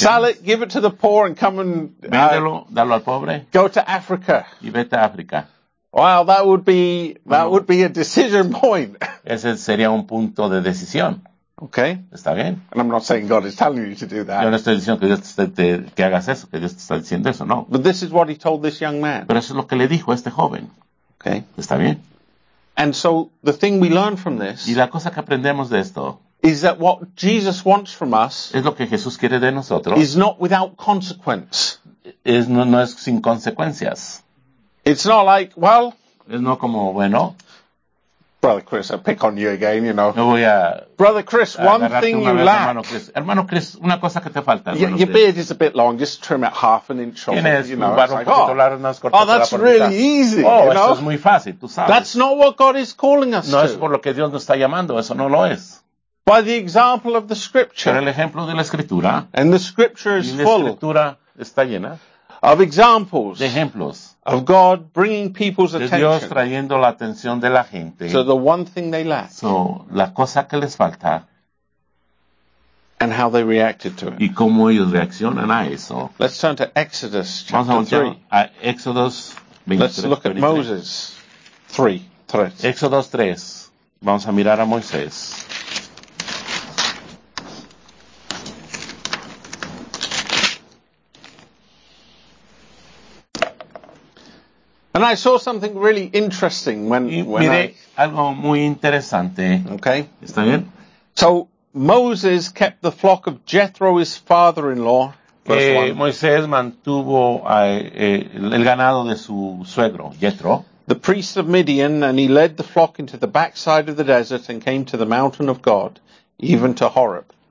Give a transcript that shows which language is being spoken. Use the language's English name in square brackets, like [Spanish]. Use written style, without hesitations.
[English] Sell it, give it to the poor and come and [Spanish] véndelo, dalo al pobre. [English] Go to Africa. [Spanish] Y vete a África. [English] Well, that would be a decision point. [Spanish] Ese sería un punto de decisión. [English] Okay. [Spanish] Está bien. [English] And I'm not saying God is telling you to do that. [Spanish] Yo no estoy diciendo que Dios que hagas eso, que Dios te está diciendo eso, no. [English] But this is what he told this young man. [Spanish] Pero eso es lo que le dijo a este joven. [English] Okay. [Spanish] Está bien. [English] And so the thing we learn from this. [Spanish] Y la cosa que aprendemos de esto. [English] Is that what Jesus wants from us? [Spanish] Es lo que Jesús quiere de nosotros. [English] Is not without consequence. [Spanish] Es no es sin consecuencias. [English] It's not like, well. [Spanish] Es no como bueno. [English] Brother Chris, I pick on you again, you know. [Spanish] No voy a. [English] Brother Chris, one thing you lack. Hermano Chris, una cosa que te falta. Your beard is a bit long. Just trim it half an inch off. [Spanish] Tienes, [English] you know, [Spanish] un poquito largo, unas cortas. [English] Oh, that's really easy. Oh, you know? [Spanish] Eso es muy fácil, tú sabes. [English] That's not what God is calling us [Spanish] no [English] to. [Spanish] No es por lo que Dios nos está llamando. Eso no lo es. [English] By the example of the scripture. [Spanish] Por el ejemplo de la escritura. [English] And the scripture is full. [Spanish] Y la escritura está llena. [English] Of examples. [Spanish] De ejemplos. [English] Of God bringing people's attention. [Spanish] De Dios trayendo la atención de la gente. [English] So the one thing they lack. [Spanish] So la cosa que les falta. [English] And how they reacted to it. [Spanish] Y cómo ellos reaccionan a eso. [English] Let's turn to Exodus chapter 3. [Spanish] A Exodus 23. [English] Let's look at Moses 3. [Spanish] Exodus 3. Vamos a mirar a Moisés. [English] And I saw something really interesting when [Spanish] miré [English] I [Spanish] algo muy interesante. [English] Okay. [Spanish] ¿Está bien? [English] So Moses kept the flock of Jethro his father-in-law. [Spanish] Moisés mantuvo el ganado de su suegro, Jethro. [English] The priest of Midian, and he led the flock into the backside of the desert and came to the mountain of God, even to Horeb.